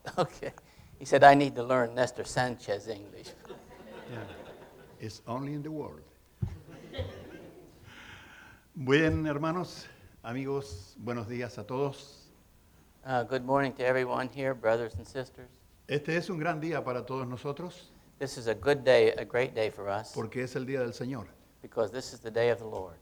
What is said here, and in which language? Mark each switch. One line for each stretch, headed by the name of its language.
English: Okay. He said, I need to learn Nestor Sanchez English. Yeah. It's only in the world.
Spanish: Buen hermanos, amigos, buenos días a todos.
English: Good morning to everyone here, brothers and sisters.
Spanish: Este es un gran día para todos nosotros.
English: This is a good day, a great day for us.
Spanish: Porque es el día del Señor.
English: Because this is the day of the Lord.